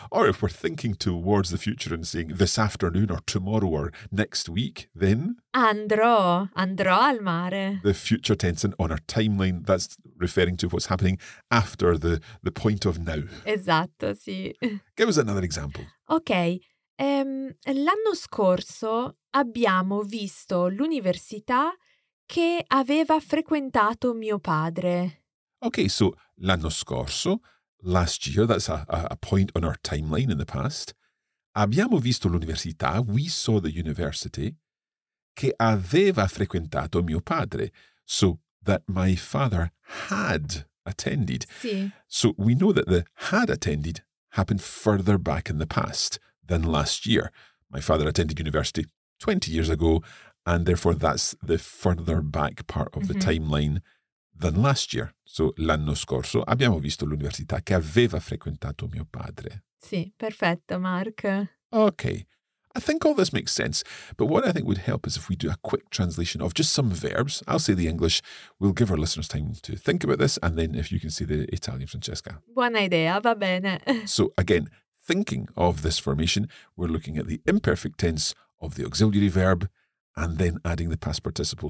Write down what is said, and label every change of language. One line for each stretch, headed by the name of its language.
English: Or if we're thinking towards the future and saying this afternoon or tomorrow or next week, then...
Italian: Andrò al mare.
English: The future tense, and on our timeline, that's referring to what's happening after the point of now.
Italian: Esatto, sì.
English: Give us another example. Okay.
Italian: L'anno scorso abbiamo visto l'università che aveva frequentato mio padre.
English: Okay, so
Italian: l'anno scorso,
English: last year, that's a point on our timeline in the past.
Italian: Abbiamo visto l'università,
English: we saw the university,
Italian: che aveva frequentato mio padre.
English: So that my father had attended.
Italian: Sì.
English: So we know that the had attended happened further back in the past than last year. My father attended university 20 years ago, and therefore that's the further back part of the timeline than last year. So
Italian: l'anno scorso abbiamo visto l'università che aveva frequentato mio padre. Sì, perfetto, Mark.
English: Okay. I think all this makes sense, but what I think would help is if we do a quick translation of just some verbs. I'll say the English, we'll give our listeners time to think about this, and then if you can say the Italian, Francesca.
Italian: Buona idea, va bene.
English: So again, thinking of this formation, we're looking at the imperfect tense of the auxiliary verb and then adding the past participle.